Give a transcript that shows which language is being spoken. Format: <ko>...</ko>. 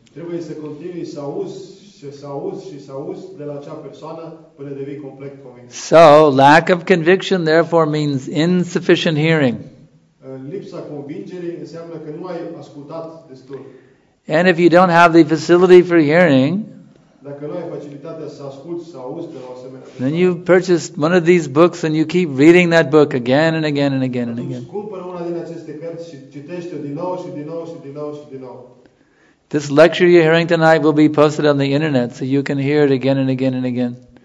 <ro>Trebuie să continui să auzi. S-auzi de la acea persoană până devii complet convins.</ro> <en>So, lack of conviction therefore means insufficient hearing.</en> <ro>Lipsa convingerii înseamnă că nu ai ascultat destul.</ro> <en>And if you don't have the facility for hearing,</en> <ro>dacă nu ai facilitatea să asculți, să auzi de la o asemenea persoană,</ro> <en>then you purchased one of these books and you keep reading that book again and again and again and again.</en> <ro>Cumpără una din aceste cărți și citește-o din nou și din nou și din nou și din nou.</ro> <en>This lecture you're hearing tonight will be posted on the internet, so you can hear it again and again and again.</en>